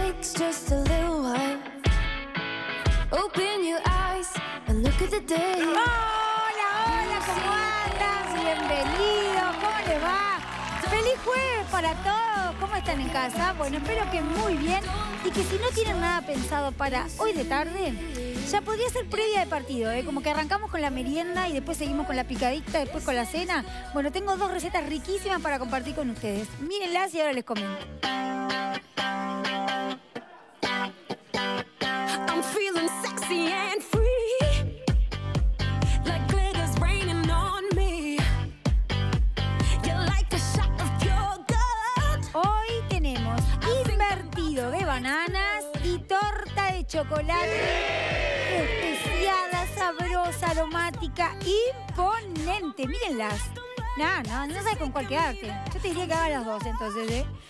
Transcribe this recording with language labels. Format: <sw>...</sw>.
<en>takes just a little while. Open your eyes and look at the day.</en> <es>Hola, hola, ¿cómo andas? Bienvenidos, ¿cómo les va? ¡Feliz jueves para todos! ¿Cómo están en casa? Bueno, espero que muy bien. Y que si no tienen nada pensado para hoy de tarde, ya podría ser previa de partido, ¿eh? Como que arrancamos con la merienda y después seguimos con la picadita, después con la cena. Bueno, tengo dos recetas riquísimas para compartir con ustedes. Mírenlas y ahora les comento.</es> <en>I'm feeling sexy and free. Like glitter's raining on me. You're like the shot of your gun.</en> <es>Hoy tenemos invertido de bananas y torta de chocolate. Especiada, sabrosa, aromática, imponente. Mírenlas. No sabes con cuál quedarte. Yo te diría que haga las dos, entonces, ¿eh?</es>